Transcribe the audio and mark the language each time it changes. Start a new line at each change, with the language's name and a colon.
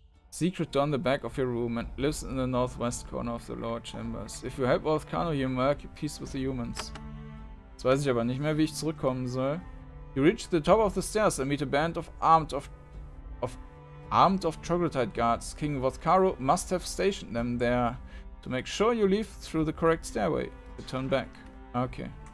English: Secret door in the back of your room and lives in the northwest corner of the lower chambers. If you help Volcano, you make peace with the humans.
German: Jetzt weiß ich aber nicht mehr, wie ich zurückkommen soll.
English: You reach the top of the stairs and meet a band of armed of Troglodyte guards. King Volcano must have stationed them there to make sure you leave through the correct stairway. You turn back. Okay.